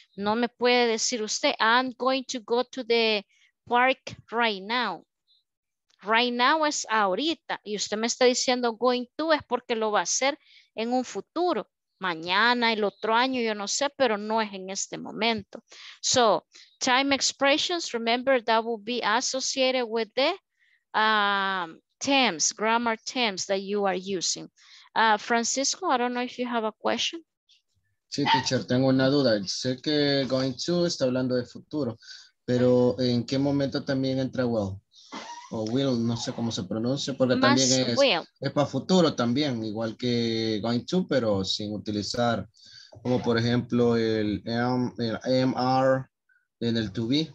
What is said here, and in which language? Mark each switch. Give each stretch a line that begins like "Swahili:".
Spanish: No me puede decir usted,
English: I'm going to go to the park right now. Right now
Spanish: es ahorita. Y usted me está diciendo going to es porque lo va a hacer en un futuro. Mañana, el otro año, yo no sé, pero no es en este momento.
English: So, time expressions, remember, that will be associated with the tense, grammar tense that you are using. Francisco, I don't know if you have a question.
Spanish: Sí, teacher, tengo una duda. Sé que going to está hablando de futuro, pero ¿en qué momento también entra well? O will, no sé cómo se pronuncia, porque más también es
English: will.
Spanish: Es para futuro también, igual que going to, pero sin utilizar, como por ejemplo el MR en el to be.